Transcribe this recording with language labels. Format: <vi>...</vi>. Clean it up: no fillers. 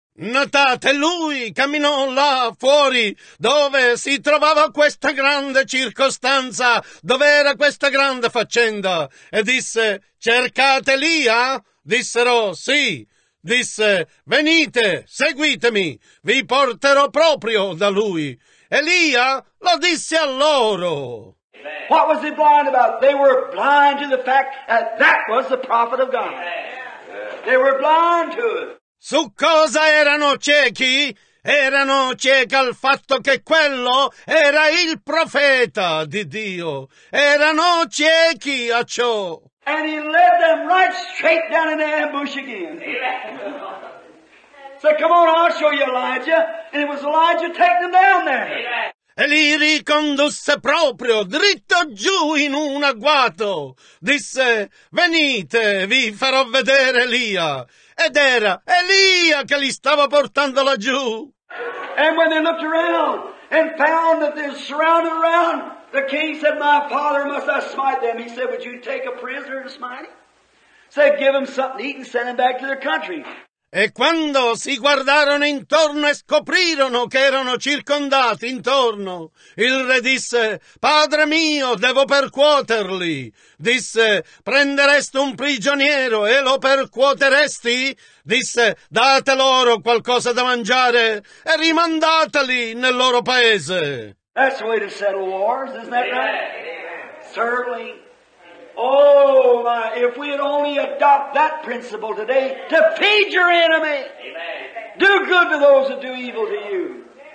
<it>Notate, lui camminò là fuori dove si trovava questa grande circostanza, dove era questa grande faccenda, e disse, cercate Elia? Dissero, sì. Disse, venite, seguitemi, vi porterò proprio da lui. Elia lo disse a loro. Amen.</it> <en>What was he blind about? They were blind to the fact that that was the prophet of God. Amen. They were blind to it.</en> <it>Su cosa erano ciechi? Erano ciechi al fatto che quello era il profeta di Dio. Erano ciechi a ciò.</it> <en>And he led them right straight down in the ambush again. So come on, I'll show you Elijah. And it was Elijah taking them down there.</en> <it>E li ricondusse proprio dritto giù in un agguato. Disse, venite, vi farò vedere Elia. Ed era Elia che li stava portando laggiù.</it> <en>And when they looked around and found that they were surrounded around, the king said, my father, must I smite them? He said, would you take a prisoner to smite him? Said, give him something to eat and send him back to their country.</en> <it>E quando si guardarono intorno e scoprirono che erano circondati intorno, il re disse, padre mio, devo percuoterli. Disse, prenderesti un prigioniero e lo percuoteresti? Disse, date loro qualcosa da mangiare e rimandateli nel loro paese.</it> <en>That's the way to settle wars, isn't that right? Yeah. Certainly. Oh, my, if we had only adopt that principle today, to feed your enemy. Amen. Do good to those that do evil to you.</en>